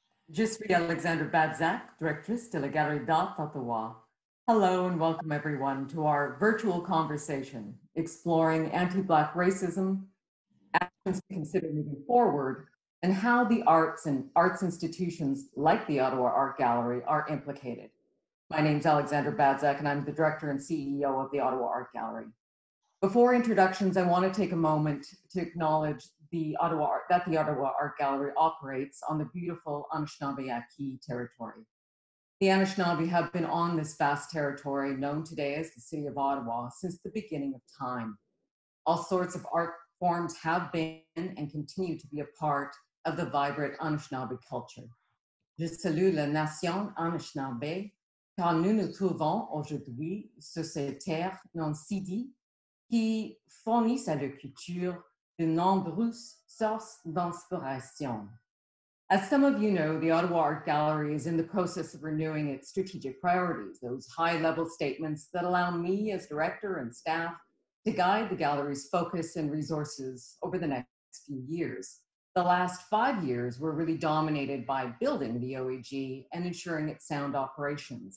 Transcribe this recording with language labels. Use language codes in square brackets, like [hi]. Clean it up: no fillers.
[fr] Je suis Alexandra Badzak, directrice de la Galerie d'Art Ottawa. [en] Hello and welcome everyone to our virtual conversation exploring anti-Black racism, actions to consider moving forward, and how the arts and arts institutions like the Ottawa Art Gallery are implicated. My name is Alexandra Badzak and I'm the director and CEO of the Ottawa Art Gallery. Before introductions, I want to take a moment to acknowledge the Ottawa Art Gallery operates on the beautiful Anishinaabe-Aki territory. The Anishinaabe have been on this vast territory known today as the City of Ottawa since the beginning of time. All sorts of art forms have been and continue to be a part of the vibrant Anishinaabe culture. [fr] Je salue la nation Anishinaabe, car nous nous trouvons aujourd'hui sur ces terres non cédées qui fournissent à la culture de nombreuses sources d'inspiration. [en] As some of you know, the Ottawa Art Gallery is in the process of renewing its strategic priorities, those high-level statements that allow me as director and staff to guide the gallery's focus and resources over the next few years. The last 5 years were really dominated by building the OEG and ensuring its sound operations.